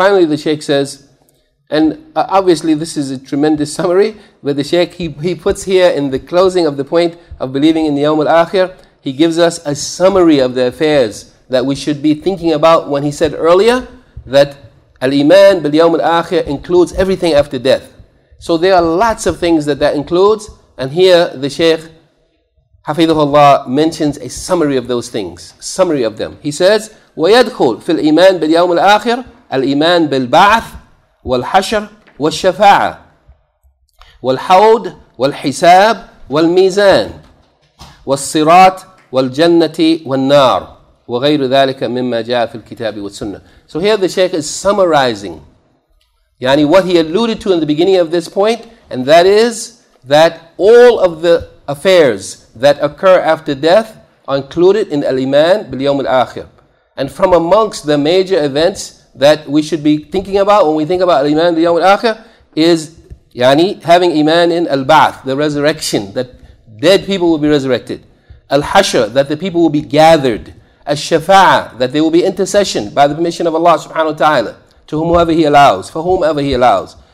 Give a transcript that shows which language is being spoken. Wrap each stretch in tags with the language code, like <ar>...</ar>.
<en>Finally, the Shaykh says, and obviously this is a tremendous summary, but the Shaykh, he puts here in the closing of the point of believing in the Yawm al-Akhir, he gives us a summary of the affairs that we should be thinking about when he said earlier that al-Iman bil Yawm al-Akhir includes everything after death. So there are lots of things that includes, and here the Shaykh, Hafidhahullaah, mentions a summary of those things, summary of them. He says,</en> <ar>وَيَدْخُلْ فِي الْإِيمَانِ بِالْيَوْمِ الْآخِرِ الْإِيمَانِ بِالْبَعْثِ والحشر والشفاعه والحوض والحساب والميزان والصراط والجنه والنار وغير ذلك مما جاء في الكتاب والسنه.</ar> <en>So here the Shaykh is summarizing yani what he alluded to in the beginning of this point, and that is that all of the affairs that occur after death are included in al-iman bil yawm al-akhir. And from amongst the major events that we should be thinking about when we think about al-iman bil yawm al-akhir is yani having iman in al-ba'th, the resurrection, that dead people will be resurrected, al-hashr, that the people will be gathered, al-shafa'a, that there will be intercession by the permission of Allah subhanahu wa ta'ala to whomever He allows, for whomever He allows.</en>